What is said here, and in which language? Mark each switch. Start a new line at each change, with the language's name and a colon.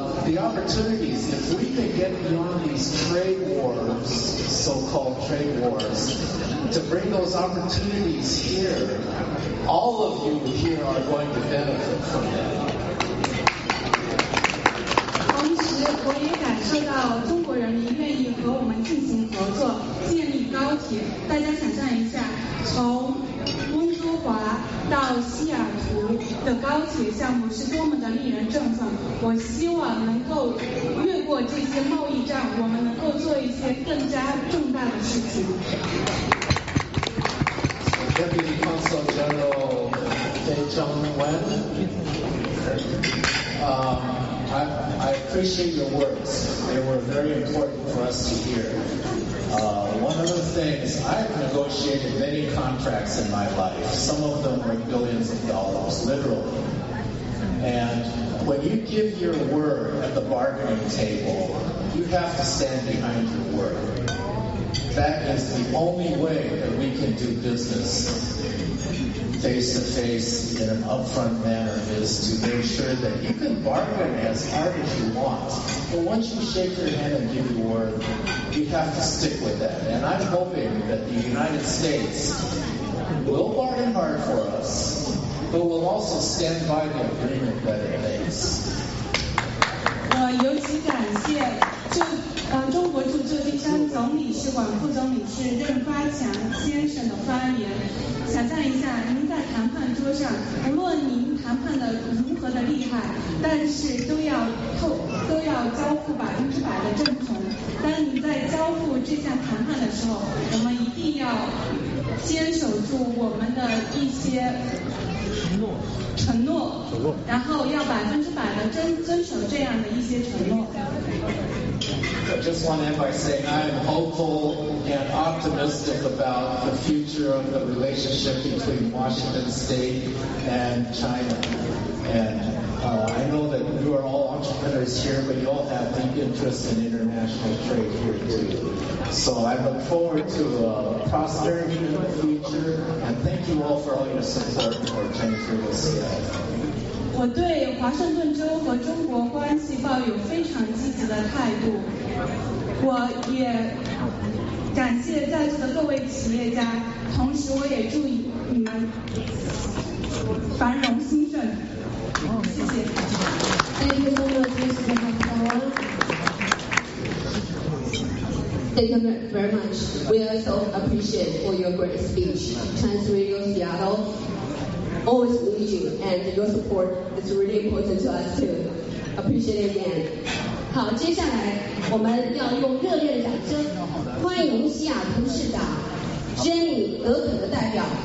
English: The opportunities, if we can get beyond these trade wars, so-called trade wars, to bring those opportunities here, all of you here are going to benefit from that.
Chinese: 同时我也感受到中国人民愿意和我们进行合作，建立高铁。大家想象一下，从温哥华到西雅图的高铁项目是多么的令人振奋。我希望能够越过这些贸易战，我们能够做一些更加重大的事情。
English: Deputy Consul General Fei Zhengwen, I appreciate your words. They were very important for us to hear. One of the things, I've negotiated many contracts in my life. Some of them were billions of dollars, literally. And when you give your word at the bargaining table, you have to stand behind your word. That is the only way that we can do business face to face in an upfront manner is to make sure that you can bargain as hard as you want. But once you shake your hand and give your word, you have to stick with that. And I'm hoping that the United States will bargain hard for us, but will also stand by the agreement that it makes.
Chinese: 尤其感谢中国驻旧金山总领事馆副总领事任发强先生的发言。想象一下，您在谈判桌上，无论您谈判的如何的厉害，但是都要交付100%的正统。当您在交付这项谈判的时候，我们一定要坚守住我们的一些承诺，然后要100%的遵守这样的一些承诺。
English: I just want to end by saying I am hopeful and optimistic about the future of the relationship between Washington State and China. And I know that you are all entrepreneurs here, but you all have deep interest in international trade here too. So I look forward to prosperity in the future, and thank you all for all your support for Chinese Real Estate.
Chinese: 我对华盛顿州和中国关系抱有非常积极的态度，我也感谢在座的各位位企业家，同时我也祝你们繁荣兴盛。谢谢。
English: Thank you so much, Mr. Taiwan. Thank you very much. We are so appreciate for your great speech. Chinese Radio Seattle always need you, and your support is really important to us too. Appreciate it again.
Chinese: 好，接下来我们要用热烈的掌声欢迎西雅图市长 Jenny 德可的代表